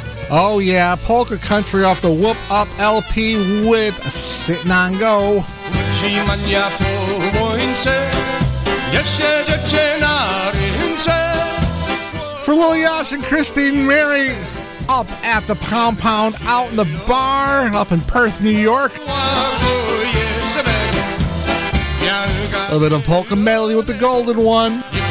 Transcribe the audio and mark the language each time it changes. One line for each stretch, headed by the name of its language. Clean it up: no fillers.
English: Oh yeah, Polka Country off the Whoop Up LP with Sitting on Go.
Polish: Utrzymam ja po wojnce, jeszcze dziecię na ręce.
English: For Lil Yash and Christine Mary up at the compound, out in the bar, up in Perth, New York. A little bit of Polka Melody with the Golden One.